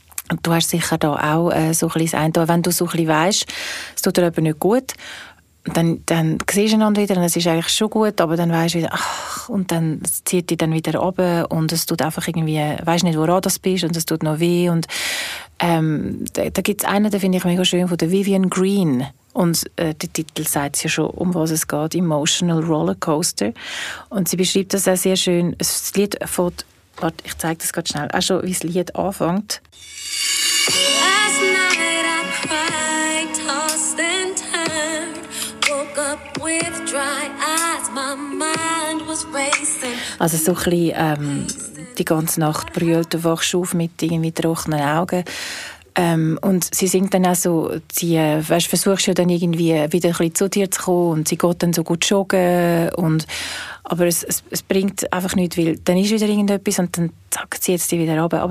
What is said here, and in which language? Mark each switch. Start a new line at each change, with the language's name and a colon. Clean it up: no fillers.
German: Und du hast sicher da auch so ein bisschen das wenn du so ein bisschen weisst, es tut dir eben nicht gut, dann siehst du einander wieder und es ist eigentlich schon gut, aber dann weisst du wieder, ach, und dann zieht dich dann wieder runter und es tut einfach irgendwie, weisst nicht, woran das bist und es tut noch weh und da gibt es einen, den finde ich mega schön, von der Vivian Green. Und der Titel sagt es ja schon, um was es geht, Emotional Rollercoaster. Und sie beschreibt das auch sehr schön. Das Lied von, warte, ich zeige das gerade schnell, auch schon, wie das Lied anfängt.
English: Last night I cried, tossed and turned, woke up with dry eyes, my mind was racing.
German: Also so ein bisschen, die ganze Nacht brüllt, du wachst auf mit irgendwie trockenen Augen. Und sie singt dann auch so, sie weißt, versuchst ja dann irgendwie wieder ein bisschen zu dir zu kommen und sie geht dann so gut joggen. Und, aber es bringt einfach nichts, weil dann ist wieder irgendetwas und dann zack, zieht es dich wieder runter.